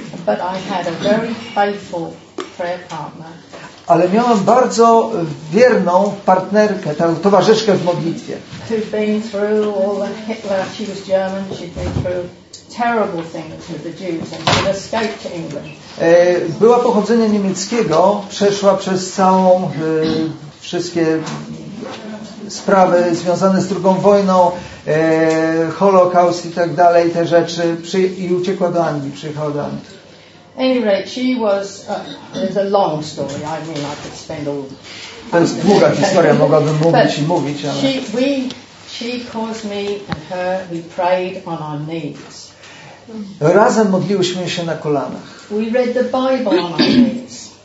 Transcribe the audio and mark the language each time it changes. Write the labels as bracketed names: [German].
[English] But I had a very faithful prayer partner. [Polish] Ale miałam bardzo wierną partnerkę, towarzyszkę w modlitwie. [English] She'd been through all the Hitler, she was German, she'd been through terrible things with the Jews and she'd escaped to England. [Polish] Była pochodzenia niemieckiego, przeszła przez całą wszystkie sprawy związane z II wojną, Holokaust i tak dalej, te rzeczy, i uciekła do Anglii, przyjechała do Anglii. [English] Anyway, she was. It's a long story. I mean, I could spend all. [Polish] To jest długa historia. Mogłabym mówić i mówić, ale. [English] She caused me and her. We prayed on our knees. [Polish] Razem modliłyśmy się na kolanach. [English] We read the Bible on our knees.